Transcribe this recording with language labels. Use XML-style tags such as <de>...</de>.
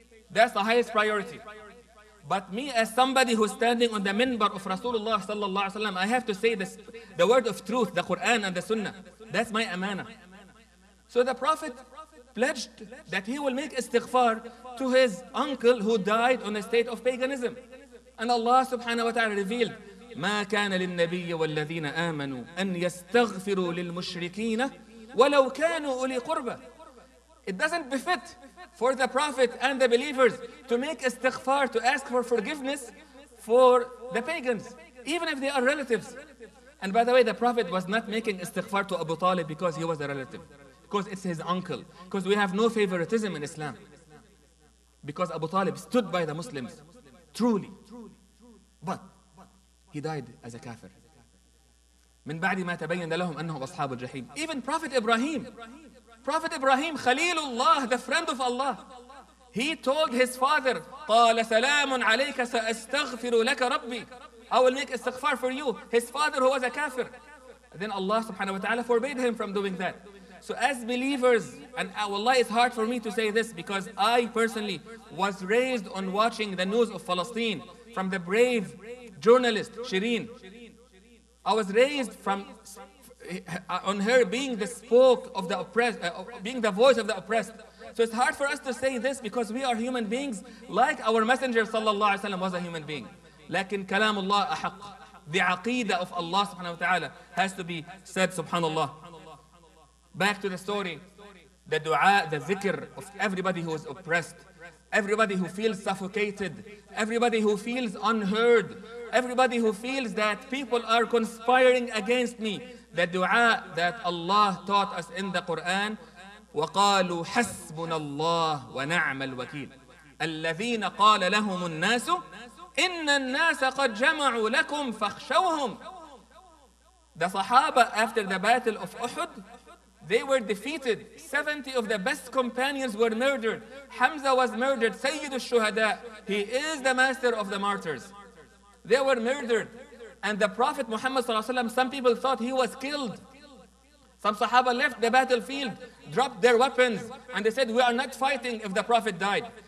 <en>That's the highest priority. But me, as somebody who's standing on the minbar of Rasulullah sallallahu alaihi wasallam, I have to say this, the word of truth, the Quran and the Sunnah. That's my amana. So the Prophet pledged that he will make istighfar to his uncle who died on a state of paganism. And Allah subhanahu wa ta'ala revealed,</en> <ar>مَا كَانَ لِلنَّبِيِّ وَالَّذِينَ آمَنُوا أَنْ يَسْتَغْفِرُوا لِلْمُشْرِكِينَ وَلَوْ كَانُوا أُولِي قُرْبَى.</ar> <en>It doesn't befit for the Prophet and the believers to make istighfar, to ask for forgiveness for the pagans, even if they are relatives. And by the way, the Prophet was not making istighfar to Abu Talib because he was a relative, because it's his uncle, because we have no favoritism in Islam. Because Abu Talib stood by the Muslims, truly. But he died as a kafir.</en> <ar>من بعد ما تبين لهم أنهم أصحاب الجحيم.</ar> <en>Even Prophet Ibrahim, Prophet Ibrahim, Khalilullah, the friend of Allah, he told his father,</en> <ar>قال سلام عليك سأستغفر لك ربي.</ar> <en>I will make istighfar for you. His father, who was a kafir. And then Allah subhanahu wa ta'ala forbade him from doing that. So as believers, and wallahi, it's hard for me to say this because I personally was raised on watching the news of Palestine from the brave journalist, Shireen. I was raised from on her being the spoke of the oppressed, being the voice of the oppressed. So it's hard for us to say this because we are human beings, like our messenger sallallahu alaihi wasallam was a human being.</en> <ar>لكن كلام الله أحق.</ar> <en>The aqeedah of Allah subhanahu wa ta'ala has to be said, subhanallah. Back to the story, the dua, the zikr of everybody who is oppressed, everybody who feels suffocated, everybody who feels unheard, everybody who feels that people are conspiring against me. The dua that Allah taught us in the Quran,</en> <ar>وَقَالُوا حَسْبُنَا اللَّهُ وَنَعْمَ الْوَكِيلُ الَّذِينَ قَالَ لَهُمُ النَّاسُ إِنَّ النَّاسَ قَدْ جَمَعُوا لَكُمْ فَخْشَوْهُمْ.</ar> <en>The Sahaba, after the battle of Uhud, they were defeated. 70 of the best companions were murdered. Hamza was murdered. Sayyid al-Shuhada, he is the master of the martyrs. They were murdered. And the Prophet Muhammad sallallahu alaihi wasallam, some people thought he was killed. Some Sahaba left the battlefield, dropped their weapons, and they said, we are not fighting if the Prophet died.</en>